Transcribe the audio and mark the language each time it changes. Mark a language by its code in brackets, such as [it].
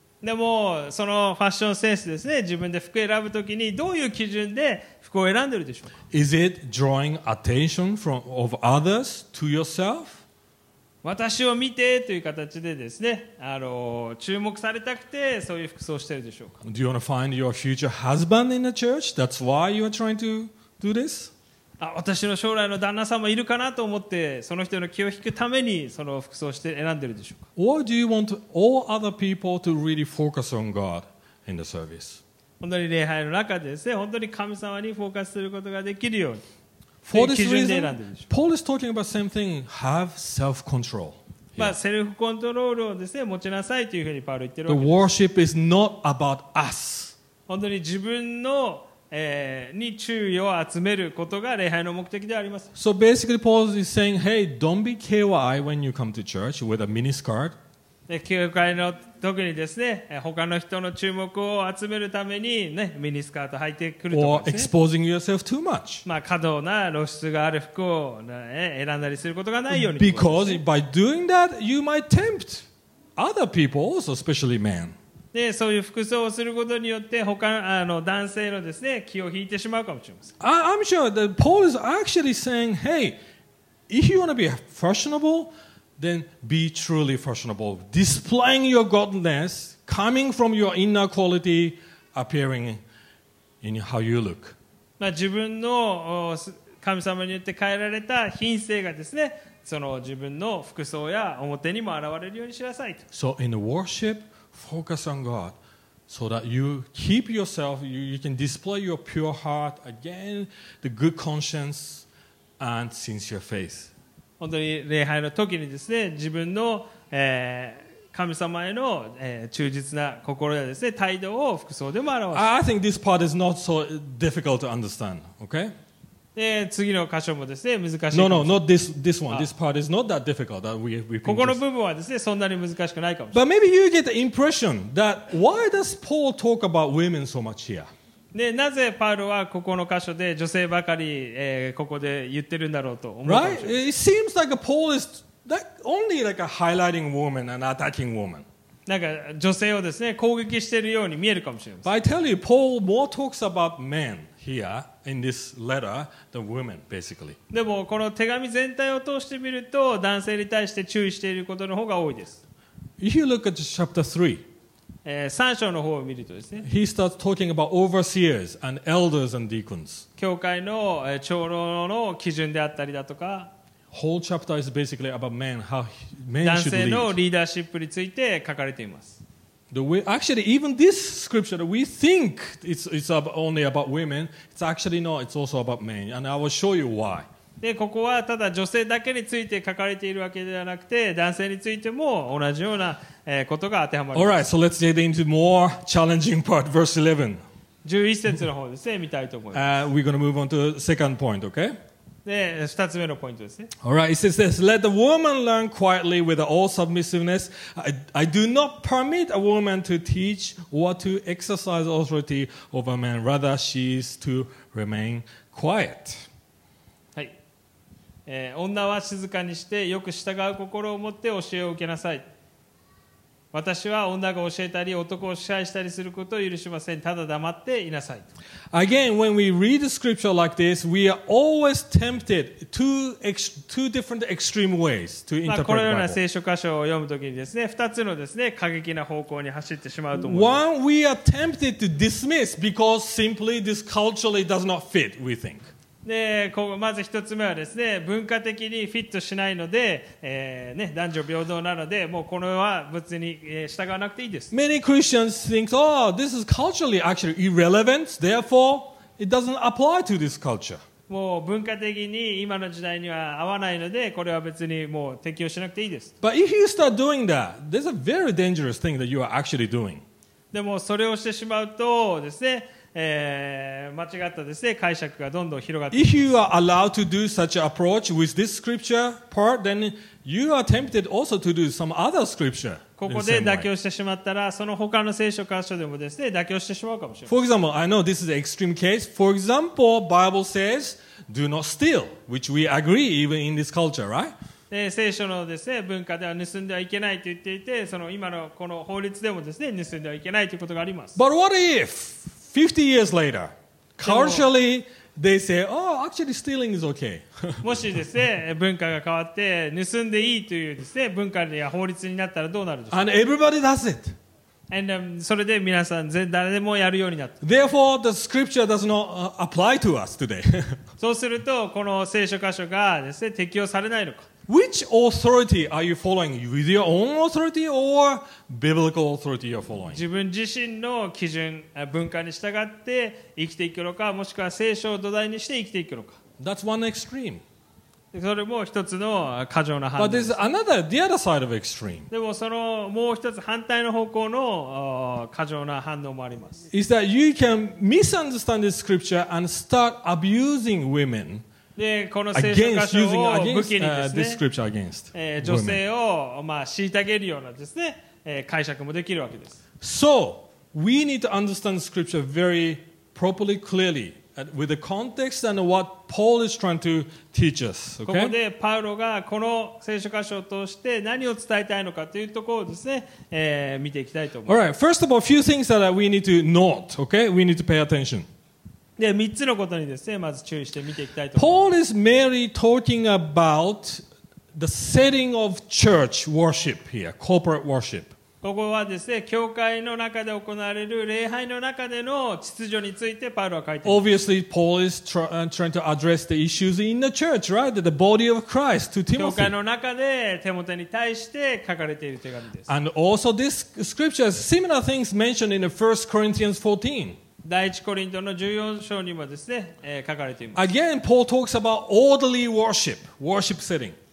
[ja] でもそのファッションセンスですね、自分で服を選ぶときにどういう基準で服を選んでるでしょうか。 [en] Is it drawing attention from, of others to yourself? [ja] 私を見てという形でですね、注目されたくてそういう服装をしてるでしょうか。 [en] Do you want to find your future husband in the church? That's why you are trying to do this? [ja] 私の将来の旦那さんもいるかなと思ってその人の気を引くためにその服装をして選んでるでしょうか。 [en] Or do you want all other people to really focus on God in the service? [ja] 本当に礼拝の中でですね、本当に神様にフォーカスすることができるように [en] For this reason, Paul is talking about same thing. Have self-control. [ja] まあ、セルフコントロールをですね、持ちなさいというふうにパウロ言ってるわけです。 [en] The worship is not about us. [ja] 本当に自分の、に注意を集めることが礼拝の目的であります。 [en] So basically, Paul is saying, hey, don't be KY when you come to church with a mini skirt. [ja] 教会の特にですね、他の人の注目を集めるために、ね、ミニスカート履いてくるとかですね。 [en] Or exposing yourself too much. [ja] まあ、過度な露出がある服を、ね、選んだりすることがないように。 [en] Because by doing that, you might tempt other people also, especially men. [ja] でそういう服装をすることによって他あの男性のですね気を引いてしまうかもしれません。 [en] I'm sure that Paul is actually saying, hey, if you want to be fashionable, then be truly fashionable. Displaying your godliness, coming from your inner quality, appearing in how you look. [ja] まあ自分の神様によって変えられた品性がですね、その自分の服装や表にも現れるようにしなさいと。 [en] So in worship,Focus on God so that you keep yourself, you can display your pure heart again, the good conscience and sincere faith. [ja] 本当に礼拝の時にですね、自分の、神様への、忠実な心やですね、態度を服装でも表す。 [en] I think this part is not so difficult to understand, okay? [ja] で次の箇所もですね難しい。 [en] No, not this one. This part is not that difficult. That we [ja] ここの部分はですねそんなに難しくないかもしれない。 [en] But maybe you get the impression that why does Paul talk about women so much here? [ja] でなぜパウロはここの箇所で女性ばかり、ここで言ってるんだろうと思うかもしれない。 [en] Right? It seems like Paul is only like a highlighting woman and attacking woman. [ja] なんか女性をですね攻撃しているように見えるかもしれません。 [en] But I tell you, Paul more talks about men. Here in this letter, the women basically. [ja] でもこの手紙全体を通してみると男性に対して注意していることの方が多いです。 [en] If you look at chapter 3, [ja] 3章の方を見るとですね、 [en] he starts talking about overseers and elders and deacons. [ja] 教会の長老の基準であったりだとか、 [en] whole chapter is basically about men, how men [ja] 男性のリーダーシップについて書かれています。 [en] Actually, even this scripture that we think it's only about women, it's actually not. It's also about men, and I will show you why. [ja] でここはただ女性だけについて書かれているわけではなくて、男性についても同じようなことが当てはまります。 [en] All right, so let's get into more challenging part, verse 11. [ja] 11節の方ですね、見たいと思います。 [en] We're going to move on to the second point, okay? [ja] で二つ目のポイントですね。 [en] All right, it says this: Let the woman learn quietly with all submissiveness. I do not permit a woman to teach or to exercise authority over men. Rather, she is to remain quiet. [ja] はい、女は静かにしてよく従う心を持って教えを受けなさい。私は女が教えたり男を支配したりすることを許しません。ただ黙っていなさい。 [en] Again, when we read the scripture like this, we are always tempted two different extreme ways to interpret the Bible. [ja] このような聖書箇所を読むときにですね、二つのですね、過激な方向に走ってしまうと思います。 [en] One, we are tempted to dismiss because simply this culturally does not fit, we think. [ja] でここまず一つ目はですね、文化的にフィットしないので、ね、男女平等なので、もうこれは別に従わなくていいです。 [en] Many Christians think, oh, this is culturally actually irrelevant, therefore it doesn't apply to this culture. [ja] もう文化的に今の時代には合わないので、これは別にもう適用しなくていいです。 [en] But if you start doing that, there's a very dangerous thing that you are actually doing. [ja] でもそれをしてしまうとですね、間違ったですね、解釈がどんどん広がっていきます。 [en] If you are allowed to do such an approach with this scripture part, then you are tempted also to do some other scripture. [ja] ここで妥協してしまったら、その他の聖書箇所でもですね、妥協してしまうかもしれません。 [en] For example, I know this is an extreme case. For example, Bible says, do not steal, which we agree even in this culture, right? [ja] 聖書のですね、文化では盗んではいけないと言っていて、その今のこの法律でもですね、盗んではいけないということがあります。 [en] But what if? 50 years later, culturally, they say, oh, actually stealing is okay. [ja] もしですね、文化が変わって、盗んでいいというですね、文化や法律になったらどうなるでしょうか。 [en] And everybody does it. And, [ja] それで皆さん、誰でもやるようになった。 [en] Therefore, the scripture does not apply to us today. [ja] そうすると、この聖書箇所がですね、適用されないのか。 [en] Which authority are you following? With your own authority or biblical authority you're following? [ja] 自分自身の基準、文化に従って生きていくのか、もしくは聖書を土台にして生きていくのか。 [en] That's one extreme. [ja] それも一つの過剰な判断です。 [en] But there's another, the other side of extreme. [ja] でもそのもう一つ反対の方向の過剰な反応もあります。 [en] Is that you can misunderstand the scripture and start abusing women against using against this scripture against women. [ja] 女性をまあ虐げるようなですね、解釈もできるわけです。 [en] So we need to understand the scripture very properly, clearly. With the context and what Paul is trying to teach us, okay? [ja] ここでパウロがこの聖書箇所として何を伝えたいのかというところをですね、見ていきたいと思います。 [en] All right. First of all, a few things that we need to note, okay? We need to pay attention. [ja] で、三つのことにですね、まず注意して見ていきたいと思います。 [en] Paul is merely talking about the setting of church worship here, corporate worship. [ja] ここはですね、教会の中で行われる礼拝の中での秩序についてパウロは書いています。 [en] Obviously, Paul is trying to address the issues in the church, right? The body of Christ to Timothy. [ja] 教会の中でテモテに対して書かれている手紙です。 [en] And also, this scripture has similar things mentioned in the 1 Corinthians 14. [ja] 第一コリントの14章にもですね、書かれています。 [en] Again, Paul talks about orderly worship, worship setting.